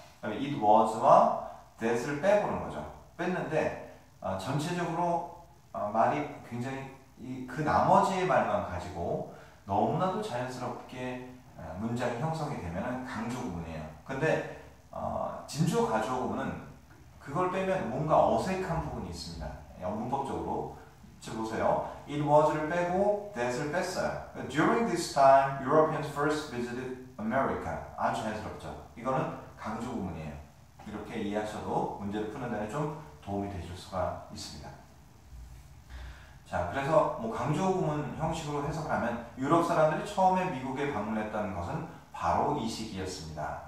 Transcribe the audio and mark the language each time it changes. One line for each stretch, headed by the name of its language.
Korean: It was와 that을 빼보는 거죠. 뺐는데 전체적으로 말이 굉장히 그 나머지의 말만 가지고 너무나도 자연스럽게 문장이 형성이 되면 강조구문이에요. 근데 진조 가조구문은 그걸 빼면 뭔가 어색한 부분이 있습니다. 문법적으로 지금 보세요. It was를 빼고 that을 뺐어요.
English: During this time, Europeans first visited America.
Korean: 아주 자연스럽죠. 이거는 강조 구문이에요. 이렇게 이해하셔도 문제를 푸는 데는 좀 도움이 되실 수가 있습니다. 자, 그래서 뭐 강조 구문 형식으로 해석하면 유럽 사람들이 처음에 미국에 방문했다는 것은 바로 이 시기였습니다.